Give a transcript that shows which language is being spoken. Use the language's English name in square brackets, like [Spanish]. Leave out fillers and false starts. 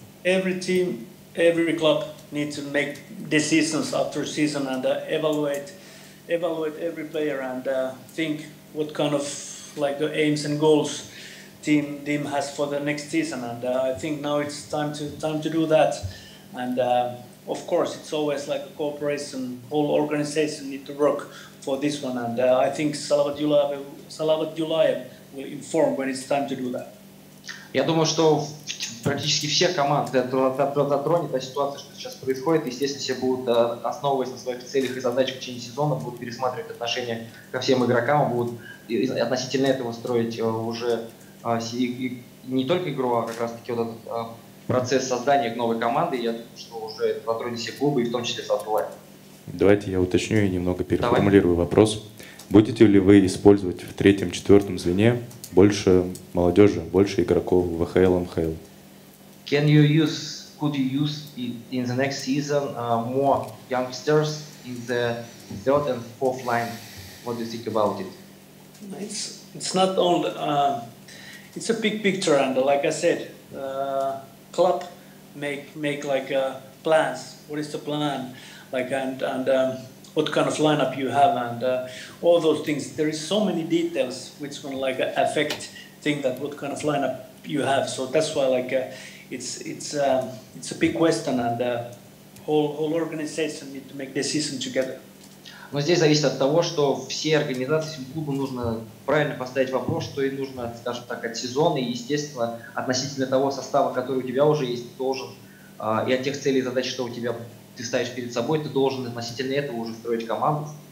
[English] Every team, every club needs to make decisions after season and evaluate every player and think what kind of like aims and goals team has for the next season. And I think now it's time to do that. And of course, it's always like a cooperation. Whole organization need to work for this one, and I think Salavat Yulayev will inform when it's time to do that. [Russian] Я думаю, что практически все команды затронет та ситуация, что сейчас происходит. Естественно, все будут основываясь на своих целях и задачах в течение сезона, будут пересматривать отношения ко всем игрокам, будут относительно этого строить уже не только игру, а как раз таки вот этот процесс создания новой команды, я думаю, что уже затронет все клубы, и в том числе Салават. Давайте я уточню и немного переформулирую вопрос. Будете ли вы использовать в третьем, четвертом звене больше молодежи, больше игроков в ВХЛ, МХЛ? [English] Could you use in the next season more youngsters in the third and fourth line? What do you think about it? It's not old. It's a big picture, and like I said, club make like plans. What is the plan? Like and what kind of lineup you have, and all those things. There is so many details which can like affect thing that what kind of lineup you have. So that's why like it's a big question, and whole organization need to make decision together. [Russian] Но здесь зависит от того, что все организации, всем клубам нужно правильно поставить вопрос, что им нужно, скажем так, от сезона, и, естественно, относительно того состава, который у тебя уже есть, должен, и от тех целей и задач, что у тебя ты ставишь перед собой, ты должен относительно этого уже строить команду.